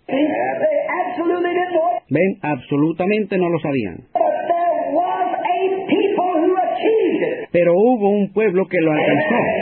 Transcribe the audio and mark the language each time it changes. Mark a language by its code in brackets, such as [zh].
[en] They absolutely didn't know. [es] Ven, absolutamente no lo sabían. [en] But there was a people who achieved it. [es] Pero hubo un pueblo que lo alcanzó.